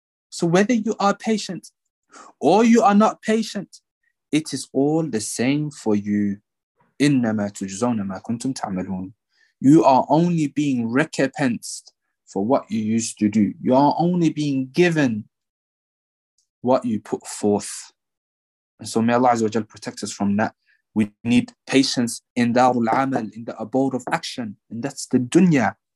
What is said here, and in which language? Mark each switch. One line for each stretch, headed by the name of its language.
English: So whether you are patient or you are not patient, it is all the same for you.
Arabic: إنما تجزون ما كنتم تعملون.
English: You are only being recompensed for what you used to do. You are only being given what you put forth. And so may Allah Azza wa Jal protect us from that. We need patience in darul amal, in the abode of action, and that's the dunya.